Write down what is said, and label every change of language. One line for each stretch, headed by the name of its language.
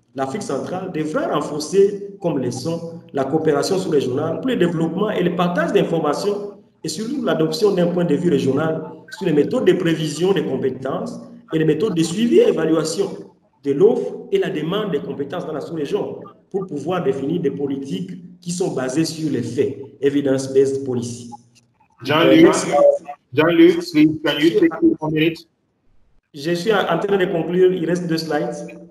French: L'Afrique centrale devra renforcer comme leçon la coopération sous-régionale pour le développement et le partage d'informations et surtout l'adoption d'un point de vue régional sur les méthodes de prévision des compétences et les méthodes de suivi et évaluation de l'offre et la demande des compétences dans la sous-région pour pouvoir définir des politiques qui sont basées sur les faits,
English: evidence-based policy. Jean-Luc, please, can you take 1 minute?
French: Je suis en train de conclure, il reste 2 slides.